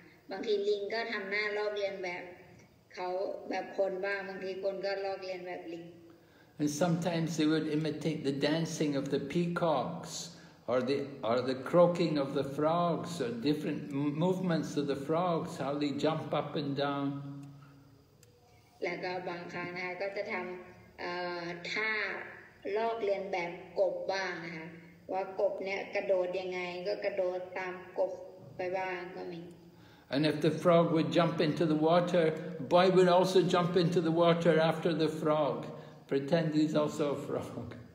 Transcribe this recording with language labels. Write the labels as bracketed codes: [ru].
[th] บางทีลิงก็ทำหน้าลอกเลียนแบบเขาแบบคนบ้างบางทีคนก็ลอกเลียนแบบลิง [en] And sometimes they would imitate the dancing of the peacocks or the croaking of the frogs or different movements of the frogs how they jump up and down [th] แล้วก็บางครั้งนะคะก็จะทำท่าลอกเลียนแบบกบบ้างนะคะว่ากบเนี่ยกระโดดยังไงก็กระโดดตามกบไปบ้างก็มี [en] And if the frog would jump into the water, boy would also jump into the water after the frog. Pretend he's also a frog.